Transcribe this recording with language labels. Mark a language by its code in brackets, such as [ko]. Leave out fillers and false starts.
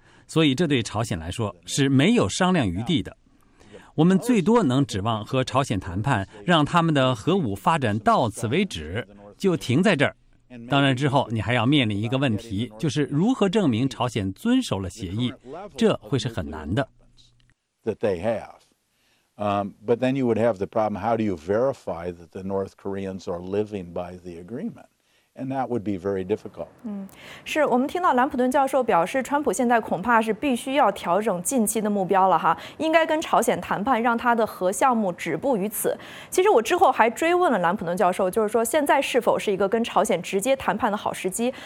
[zh] 所以这对朝鲜来说是没有商量余地的。我们最多能指望和朝鲜谈判，让他们的核武发展到此为止，就停在这儿。当然之后你还要面临一个问题，就是如何证明朝鲜遵守了协议，这会是很难的。 [en] But then you would have the problem, how do you verify that the North Koreans are living by the agreement? And that would be very difficult. [zh] 是，我们听到兰普顿教授表示，川普现在恐怕是必须要调整近期的目标了哈，应该跟朝鲜谈判，让他的核项目止步于此。其实我之后还追问了兰普顿教授，就是说现在是否是一个跟朝鲜直接谈判的好时机？